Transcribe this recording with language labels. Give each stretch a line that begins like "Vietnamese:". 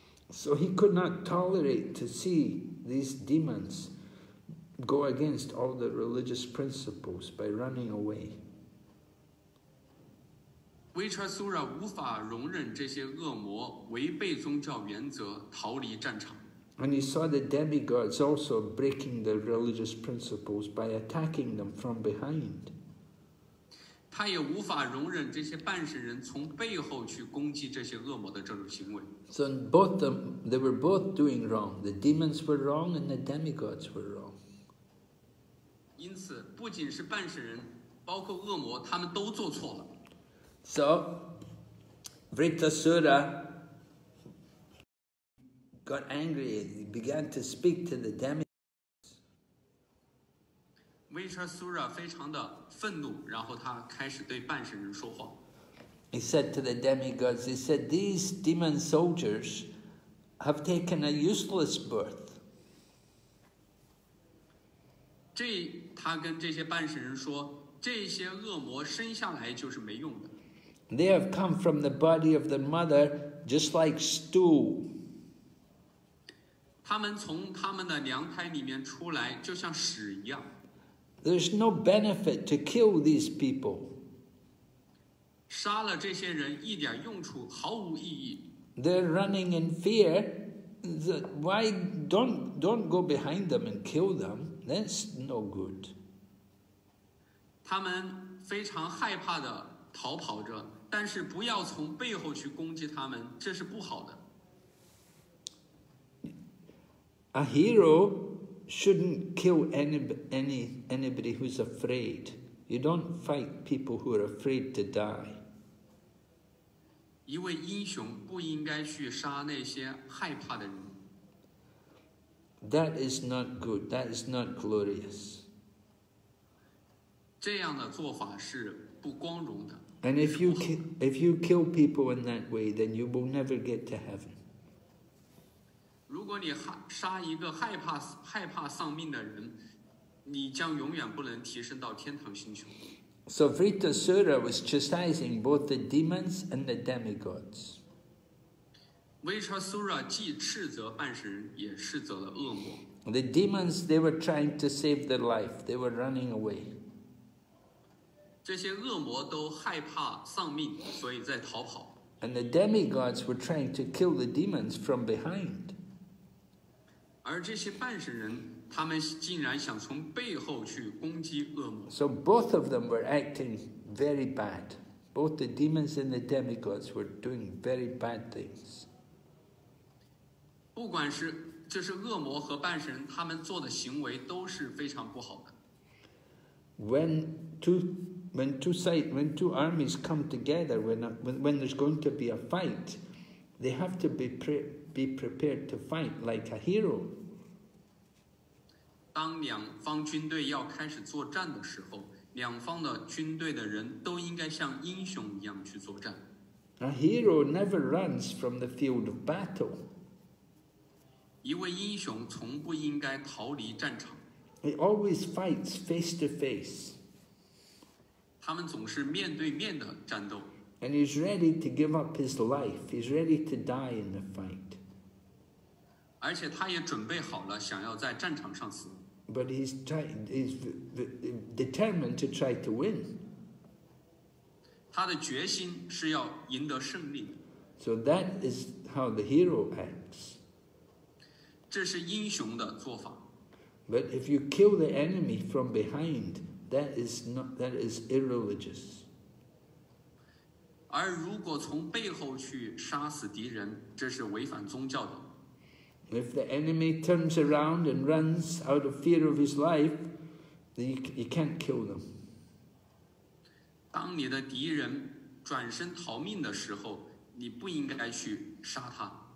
English: So he could not tolerate to see these demons go against all the religious principles by running away.
Chinese: Vritasura 无法容忍这些恶魔违背宗教原则逃离战场。
English: And he saw the demigods also breaking the religious principles by attacking them from behind.
Chinese: 他也无法容忍这些半神人从背后去攻击这些恶魔的这种行为。
English: So both of them, they were both doing wrong. The demons were wrong and the demigods were wrong.
Chinese: 因此不仅是半神人包括恶魔他们都做错了。
English: So, Vritasura,got angry and began to speak to the demigods.
Chinese: Vritasura 非常的愤怒，然后他开始对半神人说话。
English: He said to the demigods, he said, these demon soldiers have taken a useless birth.
Chinese: 他跟这些半神人说，这些恶魔生下来就是没用的。
English: They have come from the body of the mother just like stool.
Chinese: 他们从他们的娘胎里面出来就像屎一样。
English: There's no benefit to kill these people.
Chinese: 杀了这些人一点用处毫无意义。
English: They're running in fear. Why don't go behind them and kill them? That's no good.
Chinese: 他们非常害怕的逃跑着，但是不要从背后去攻击他们，这是不好的。
English: A hero shouldn't kill anybody who's afraid. You don't fight people who are afraid to die.
Chinese: 一位英雄不应该去杀那些害怕的人。
English: That is not good. That is not glorious.
Chinese: 这样的做法是不光荣的。
English: And if you kill people in that way, then you will never get to heaven.
Chinese: 如果你杀一个害怕丧命的人，你将永远不能提升到天堂星球。
English: So Vritasura was chastising both the demons and the demigods.
Chinese: Vritasura 既斥责半神人，也斥责了恶魔。
English: The demons, they were trying to save their life. They were running away.
Chinese: 这些恶魔都害怕丧命，所以在逃跑。
English: And the demigods were trying to kill the demons from behind.
Chinese: 而这些半神人，他们竟然想从背后去攻击恶魔。
English: So both of them were acting very bad. Both the demons and the demigods were doing very bad things.
Chinese: 不管是这是恶魔和半神人，他们做的行为都是非常不好的。
English: When two armies come together, when there's going to be a fight, they have to be prepared to fight like a hero.
Chinese: 当两方军队要开始作战的时候，两方的军队的人都应该像英雄一样去作战。
English: A hero never runs from the field of battle.
Chinese: 一位英雄从不应该逃离战场。
English: He always fights face to face.
Chinese: 他们总是面对面的战斗。
English: And he's ready to give up his life. He's ready to die in the fight.
Chinese: 而且他也准备好了想要在战场上死。
English: But he's determined to try to win.
Chinese: 他的决心是要赢得胜利。
English: So that is how the hero acts.
Chinese: 这是英雄的做法。
English: But if you kill the enemy from behind, that is irreligious.
Chinese: 而如果从背后去杀死敌人，这是违反宗教的。
English: If the enemy turns around and runs out of fear of his life, then you can't kill them.
Chinese: 当你的敌人转身逃命的时候，你不应该去杀他。